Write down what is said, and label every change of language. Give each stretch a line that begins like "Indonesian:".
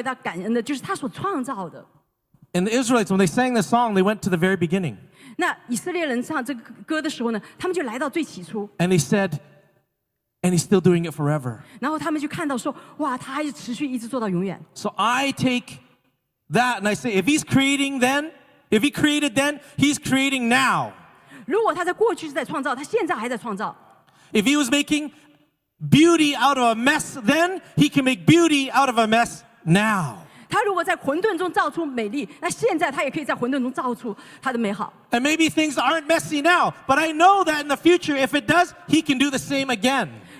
Chinese: 那下次我们要来，下面我们要来为他感恩的，就是他所创造的。
English: And the Israelites, when they sang the song, they went to the very beginning.
Chinese: 那以色列人唱这个歌的时候呢, 他们就来到最起初。
English: And they said, and he's still doing it forever.
Chinese: 然后他们就看到说, 哇, 他还是持续一直做到永远。
English: So I take that and I say, if he's creating then, if he created then, he's creating now.
Chinese: 如果他在过去是在创造, 他现在还在创造。
English: If he was making beauty out of a mess then, he can make beauty out of a mess now.
Chinese: 他如果在混沌中造出美丽, 那现在他也可以在混沌中造出他的美好。
English: And maybe things aren't messy now, but I know that in the future, if it does, he can do the same again.